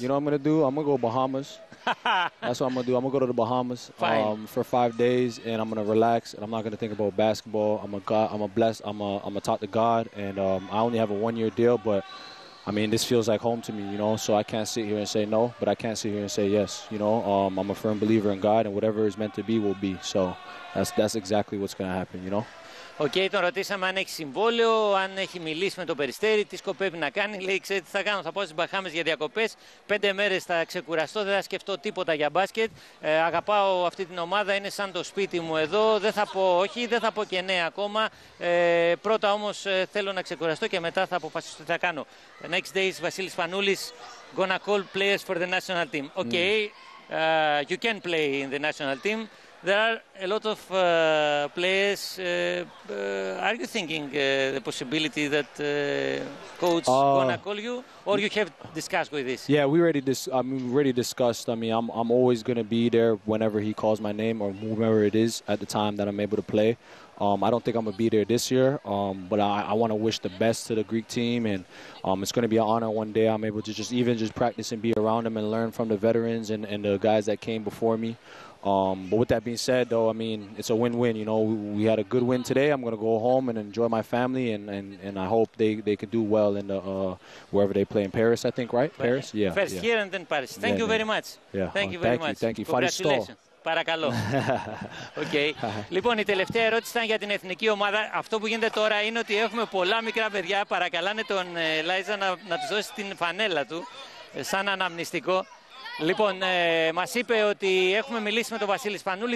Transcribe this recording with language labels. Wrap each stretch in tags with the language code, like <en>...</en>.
<en>You know what I'm going to do? I'm going to go to Bahamas. That's what I'm going to do. I'm going to go to the Bahamas for 5 days, and I'm going to relax, and I'm not going to think about basketball. I'm a talk to God, and I only have a one-year deal, but I mean, this feels like home to me, you know, so I can't sit here and say no, but I can't sit here and say yes, you know. I'm a firm believer in God, and whatever is meant to be will be, so that's exactly what's going to happen, you know. Okay,</en> <el>τον ρωτήσαμε αν έχει συμβόλαιο, αν έχει μιλήσει με τον Περιστέρι, τι σκοπεύει να κάνει. Λέει, ξέρετε τι θα κάνω, θα πάω στις Μπαχάμες για διακοπές. 5 μέρες θα ξεκουραστώ, δεν θα σκεφτώ τίποτα για μπάσκετ. Αγαπάω αυτή την ομάδα, είναι σαν το σπίτι μου εδώ. Δεν θα πω όχι, δεν θα πω και ναι ακόμα. Πρώτα όμως θέλω να ξεκουραστώ και μετά θα αποφασίσω τι θα κάνω.</el> <en>The next day is Βασίλης Φανούλης, gonna call players for the national team. Okay, you can play in the national team. There are a lot of players. Are you thinking the possibility that coach gonna call you, or you have discussed with this? Yeah, we already discussed. I mean, I'm always gonna be there whenever he calls my name or whoever it is at the time that I'm able to play. I don't think I'm gonna be there this year, but I want to wish the best to the Greek team, and it's gonna be an honor one day I'm able to just practice and be around them and learn from the veterans and the guys that came before me. But with that being said, though, I mean, it's a win-win. You know, we had a good win today. I'm going to go home and enjoy my family, and I hope they can do well in the wherever they play in Paris, I think, right? Paris? Yeah. First yeah. Here and then Paris. Thank yeah, you very much. Yeah. Thank you very thank much. You, thank you. Congratulations.</en> <el>Παρακαλώ.</el> <en>Okay.</en> <el>Λοιπόν, η τελευταία ερώτηση ήταν για την εθνική ομάδα. Αυτό που γίνεται τώρα είναι ότι έχουμε πολλά μικρά παιδιά. Παρακαλάνε τον Ελάιζα να τους δώσει την φανέλα του σαν αναμνηστικό. Λοιπόν, μας είπε ότι έχουμε μιλήσει με τον Βασίλη Σπανούλη.</el>